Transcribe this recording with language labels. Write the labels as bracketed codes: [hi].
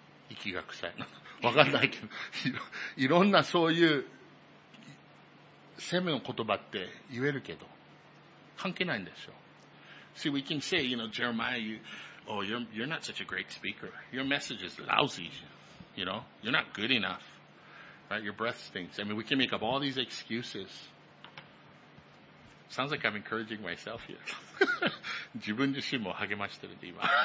[ja] 息が臭い。わかんないけど、いろんなそういう責めの言葉って言えるけど、関係ないんですよ。 [en] See, we can say, you know, Jeremiah, you, oh, you're not such a great speaker. Your message is lousy. You know, you're not good enough. Right? Your breath stinks. I mean, we can make up all these excuses. Sounds like I'm encouraging myself here. [ja] 自分自身も励ましてるんで、今。